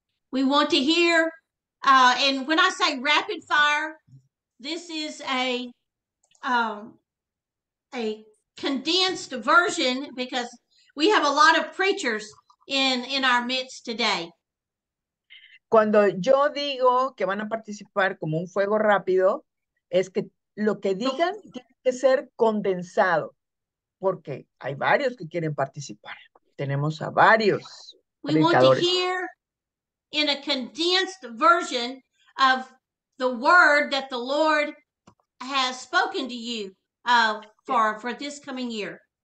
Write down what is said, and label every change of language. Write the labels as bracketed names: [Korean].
[English] We want to hear, and when I say rapid fire, this is a condensed version because we have a lot of preachers in our midst today. [Spanish] Cuando yo digo que van a participar como un fuego rápido, es que lo que digan tiene que ser condensado, porque hay varios que quieren participar. Tenemos a varios predicadores. [English] We want to hear in a condensed version of the word that the Lord has spoken to you for this coming year.